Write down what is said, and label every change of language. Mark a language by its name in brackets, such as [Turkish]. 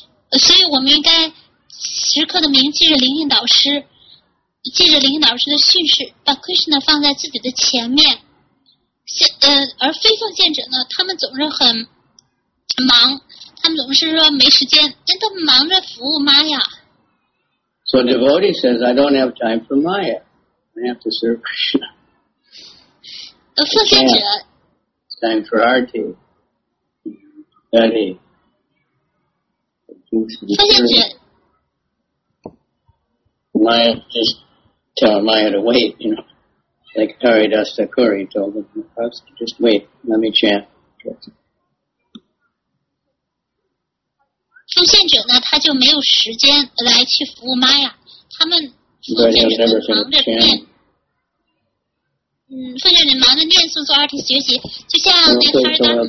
[Chinese] 所以我们应该时刻的铭记着灵性导师，记着灵性导师的训示，把 Krishna 放在自己的前面。而非奉献者呢，他们总是很忙。他们总是说没时间，但他们忙着服务玛雅。 [English] So devotee says, I don't have time for Maya. I have to serve Krishna. [Chinese] 奉献者。 [English] It's time for arti, study. [Chinese] 奉献者。 [English] Maya just tell Maya to wait, you know, like Haridas Thakur told him, just wait, let me chant. [Chinese] 奉献者呢，他就没有时间来去服务玛雅，他们奉献者忙着念，奉献者忙着念诵做阿提学习，就像那哈尔达卡布。